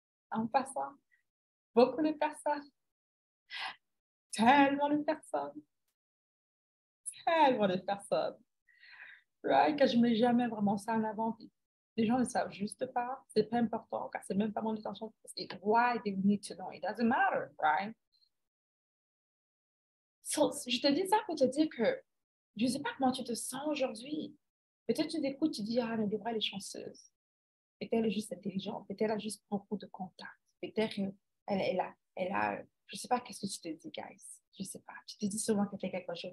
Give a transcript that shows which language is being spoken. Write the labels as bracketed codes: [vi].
[fr] En passant, beaucoup de personnes. Tellement de personnes. Tellement de personnes. [en] Right? [fr] Quand je ne mets jamais vraiment ça en avant, les gens ne savent juste pas. Ce n'est pas important, car ce n'est même pas mon intention. C'est [en] why they need to know. It doesn't matter, right? [fr] So, je te dis ça pour te dire que je ne sais pas comment tu te sens aujourd'hui. Peut-être que tu t'écoutes, tu dis, ah, mais Debra, elle est chanceuse. Peut-être qu'elle est juste intelligente. Peut-être qu'elle a juste beaucoup de contacts. Peut-être qu'elle est là. Je ne sais pas qu'est-ce que tu te dis, guys. Je ne sais pas. Tu te dis souvent que tu fais quelque chose.